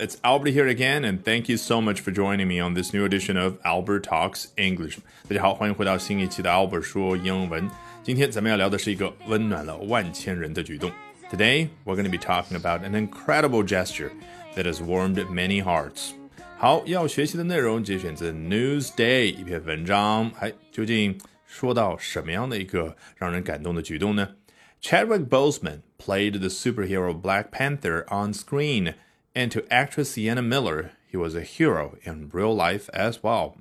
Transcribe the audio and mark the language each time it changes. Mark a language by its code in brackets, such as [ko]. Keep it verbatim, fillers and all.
[en] It's Albert here again, and thank you so much for joining me on this new edition of Albert Talks English. [zh] 大家好，欢迎回到新一期的 Albert 说英文。今天咱们要聊的是一个温暖了万千人的举动。 [en] Today, we're going to be talking about an incredible gesture that has warmed many hearts. [zh] 好，要学习的内容节选自 Newsday 一篇文章。哎，究竟说到什么样的一个让人感动的举动呢？ [en] Chadwick Boseman played the superhero Black Panther on screen, and to actress Sienna Miller, he was a hero in real life as well.